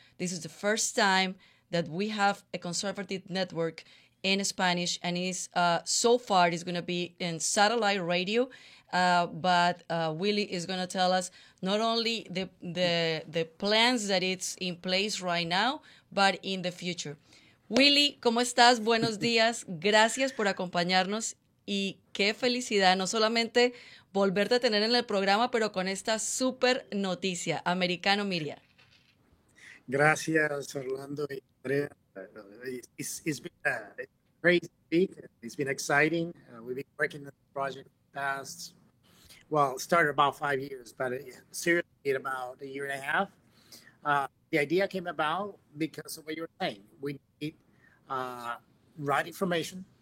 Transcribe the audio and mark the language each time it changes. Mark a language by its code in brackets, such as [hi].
[en] This is the first time that we have a conservative network in Spanish. And so far, it's going to be in satellite radio. Willie is going to tell us not only the plans that it's in place right now, but in the future. [es] Willie, ¿cómo estás? Buenos días. Gracias por acompañarnos. Y qué felicidad, no solamente volverte a tener en el programa, pero con esta súper noticia, Americano Media. Gracias, Orlando y Andrea. [en] It's been crazy week. It's been exciting. We've been working on the project the past Well, it started about 5 years, but seriously, in about a year and a half. The idea came about because of what you're saying. We need right information.